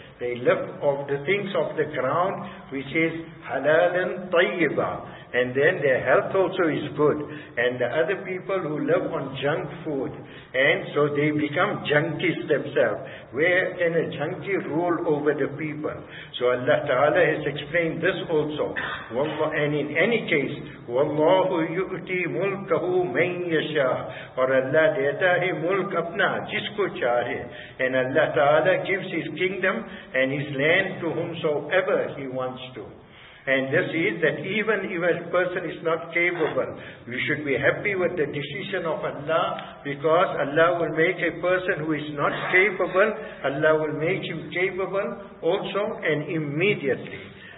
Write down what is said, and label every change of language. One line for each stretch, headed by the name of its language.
English: They live off the things of the ground, which is halalan tayyiba. And then their health also is good. And the other people who live on junk food, and so they become junkies themselves. Where can a junkie rule over the people? So Allah Ta'ala has explained this also. And in any case,
Arabic: وَاللَّهُ يُؤْتِي مُلْكَهُ مَنْ يَشَاءُ
Urdu: اور اللہ دیتا ہے ملک اپنا جس کو چاہے.
English: And Allah Ta'ala gives His kingdom and His land to whomsoever He wants to. And this is that even if a person is not capable, we should be happy with the decision of Allah, because Allah will make a person who is not capable, Allah will make him capable also and immediately.